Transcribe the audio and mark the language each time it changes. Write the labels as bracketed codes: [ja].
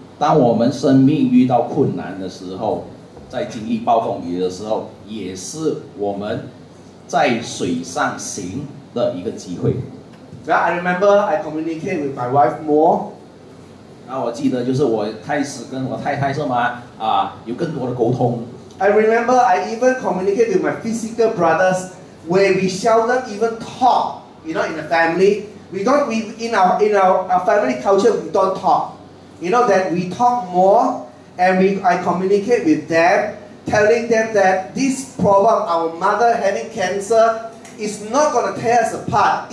[zh] 然后这就带我到我的第一点，就是说，当我们生命遇到困难的时候。在经历暴风雨的时候，也是我们在水上行的一个机会。Well, [en] I remember I communicate with my wife more. [zh] 然后我记得就是我开始跟我太太说嘛，有更多的沟通。I [en] remember I even communicate with my physical brothers where we seldom even talk. You know, in the family, we in our family culture we don't talk. You know that we talk more and I communicate with them. Telling them that this problem, our mother having cancer, is not going to tear us apart.